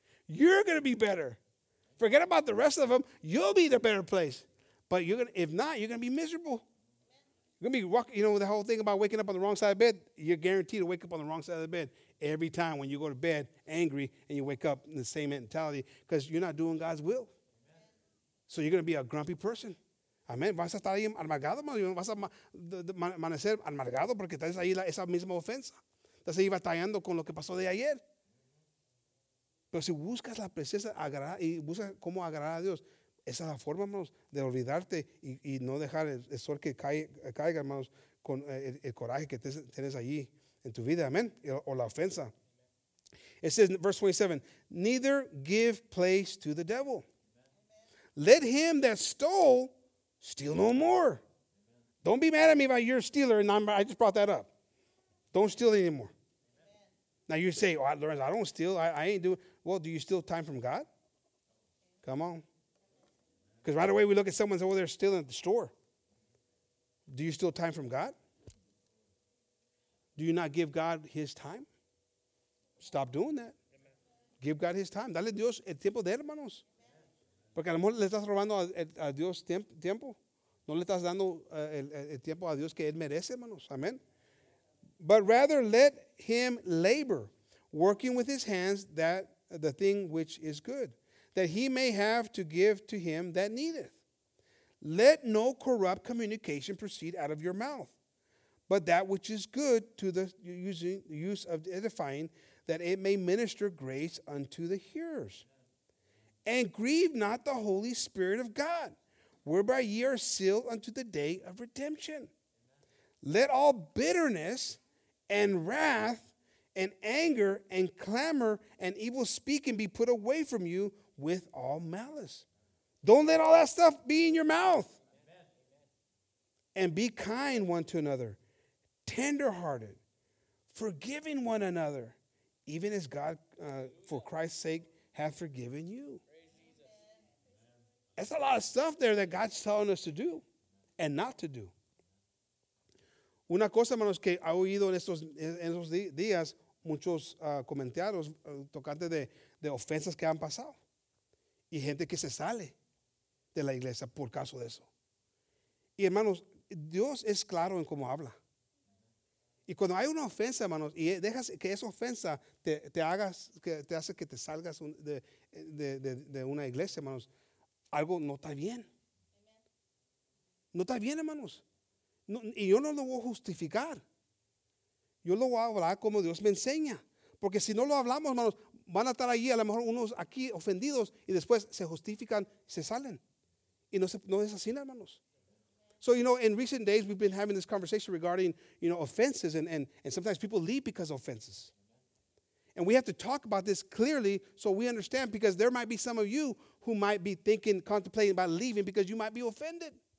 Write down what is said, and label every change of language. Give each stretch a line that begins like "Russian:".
English: You're going to be better. Forget about the rest of them. You'll be in a better place. But you're going to be miserable. You're going to be walking, you know, the whole thing about waking up on the wrong side of bed, you're guaranteed to wake up on the wrong side of the bed every time when you go to bed angry and you wake up in the same mentality because you're not doing God's will. Amen. So you're going to be a grumpy person. Amen.
Spanish: Vas a estar ahí amargado, vas a amanecer amargado porque estás ahí esa misma ofensa. Estás ahí batallando con lo que pasó de ayer. Pero si buscas la presencia y buscas cómo agradar a Dios, esa es la forma, hermanos, de olvidarte y no dejar el sol que caiga, hermanos, con el coraje que tienes allí en tu vida, amén, o la ofensa.
English: It says, verse 27, neither give place to the devil. Let him that stole steal no more. Don't be mad at me about your stealer, I just brought that up. Don't steal anymore. Now you say, oh, Lorenzo, I don't steal, I ain't doing, well, do you steal time from God? Come on. Because right away we look at someone's over there stealing at the store. Do you steal time from God? Do you not give God his time? Stop doing that. Amen. Give God his time.
Spanish: Dale Dios el tiempo de hermanos. Porque a lo mejor le estás robando a Dios tiempo. No le estás dando el tiempo a Dios que él merece, hermanos. Amen.
English: But rather let him labor, working with his hands that the thing which is good. that he may have to give to him that needeth. Let no corrupt communication proceed out of your mouth, but that which is good to the use of edifying, that it may minister grace unto the hearers. And grieve not the Holy Spirit of God, whereby ye are sealed unto the day of redemption. Let all bitterness and wrath and anger and clamor and evil speaking be put away from you with all malice. Don't let all that stuff be in your mouth. And be kind one to another, tenderhearted, forgiving one another, even as God, for Christ's sake, hath forgiven you. That's a lot of stuff there that God's telling us to do and not to do.
Spanish: Una cosa, hermanos, que ha oído en estos días muchos comentarios tocante de ofensas que han pasado y gente que se sale de la iglesia por caso de eso. Y, hermanos, Dios es claro en cómo habla. Y cuando hay una ofensa, hermanos, y dejas que esa ofensa te hace que te salgas de una iglesia, hermanos, algo no está bien. No está bien, hermanos. No, y yo no lo voy a justificar. Yo lo voy a hablar como Dios me enseña. Porque si no lo hablamos, hermanos, van a estar allí, a lo mejor unos aquí ofendidos, y después se justifican, se salen. Y no es así, hermanos.
English: So, you know, in recent days, we've been having this conversation regarding, you know, offenses, and sometimes people leave because of offenses. And we have to talk about this clearly so we understand, because there might be some of you who might be thinking, contemplating about leaving because you might be offended.